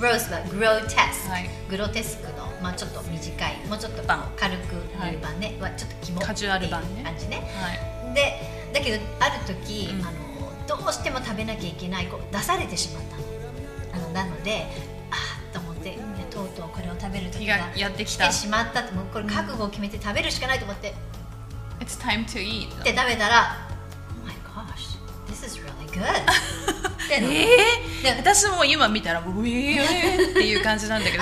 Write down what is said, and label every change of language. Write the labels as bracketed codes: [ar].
[ja] グロースはグロテスク、はい、グロテスクの、まあ、ちょっと短い、もうちょっと軽く言う版ね、はい、ちょっとキモっていう感じ ね、はい、でだけどある時、うん、あのどうしても食べなきゃいけないこう出されてしまったの、あのなのであーと思って、ね、とうとうこれを食べる時がやってきた、来てしまったと、もうこれ覚悟を決めて食べるしかないと思って、 [en] うん、It's time to eat [ja] って食べたら [en] Oh my gosh, this is really good [ja] ってえー、私も今見たらウィーっていう感じなんだけど